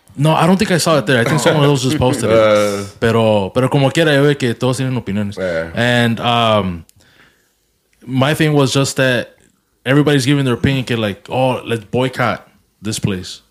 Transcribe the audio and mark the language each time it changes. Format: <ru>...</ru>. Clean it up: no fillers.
<en>No, I don't think I saw it there. I think someone else just posted it.</en> <es>Pero como quiera, yo ve que todos tienen opiniones.</es> <en>Yeah. And my thing was just that everybody's giving their opinion, que like, oh, let's boycott this place.</en>